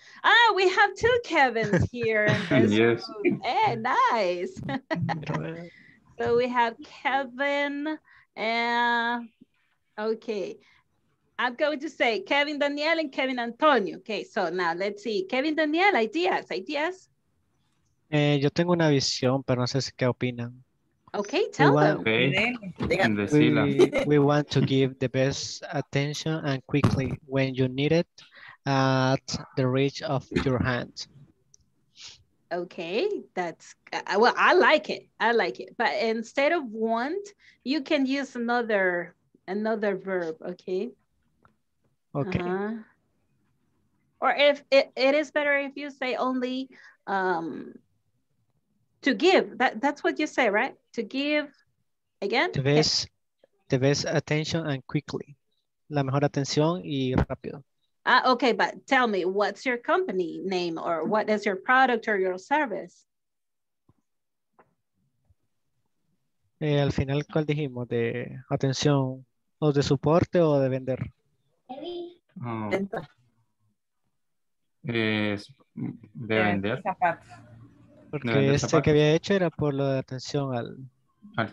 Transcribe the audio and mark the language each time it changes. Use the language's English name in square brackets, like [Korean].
[English] Ah, we have two Kevins here. Yes. Hey, nice. So we have Kevin. Okay. I'm going to say Kevin Daniel and Kevin Antonio. Okay, so now let's see. Kevin Daniel, ideas? [Spanish] Yo tengo una visión, pero no sé si qué opinan. [English] Okay, tell them. We want to give the best attention and quickly when you need it at the reach of your hand. Okay, I like it. But instead of want, you can use another verb, okay? Okay. Uh-huh. Or if it is better if you say only to give. That's what you say, right? To give again? The best attention and quickly. [Spanish] La mejor atención y rápido. [English] Okay, but tell me, what's your company name or what is your product or your service? [Spanish] Al final, ¿cuál dijimos? ¿De atención o de soporte o de vender? De vender. Porque este que había hecho era por lo de atención al